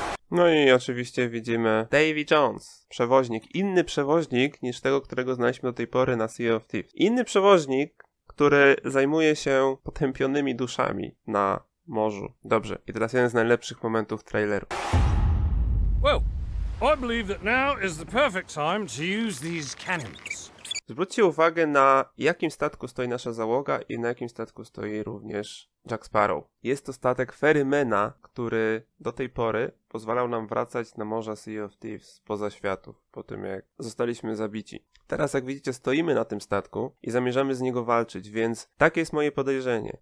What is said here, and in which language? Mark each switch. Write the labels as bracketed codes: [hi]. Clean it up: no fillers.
[pl] No i oczywiście widzimy Davy Jones, przewoźnik. Inny przewoźnik niż tego, którego znaliśmy do tej pory na Sea of Thieves. Inny przewoźnik, który zajmuje się potępionymi duszami na morzu. Dobrze, i teraz jeden z najlepszych momentów traileru. [en] Well, I believe that now is the perfect time to use these cannons. [pl] Zwróćcie uwagę, na jakim statku stoi nasza załoga i na jakim statku stoi również Jack Sparrow. Jest to statek Ferrymana, który do tej pory pozwalał nam wracać na morza Sea of Thieves, poza światów, po tym jak zostaliśmy zabici. Teraz, jak widzicie, stoimy na tym statku i zamierzamy z niego walczyć, więc takie jest moje podejrzenie.